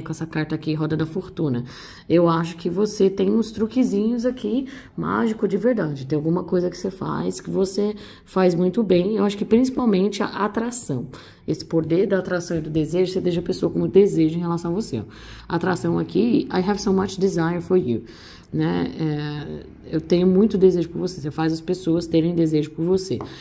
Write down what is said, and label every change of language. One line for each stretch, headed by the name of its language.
Portuguese: Com essa carta aqui, Roda da Fortuna. Eu acho que você tem uns truquezinhos aqui mágico de verdade. Tem alguma coisa que você faz muito bem. Eu acho que principalmente a atração. Esse poder da atração e do desejo, você deixa a pessoa com desejo em relação a você. Atração aqui,
English: I have so much desire for you.
Portuguese: Né? Eu tenho muito desejo por você. Você faz as pessoas terem desejo por você.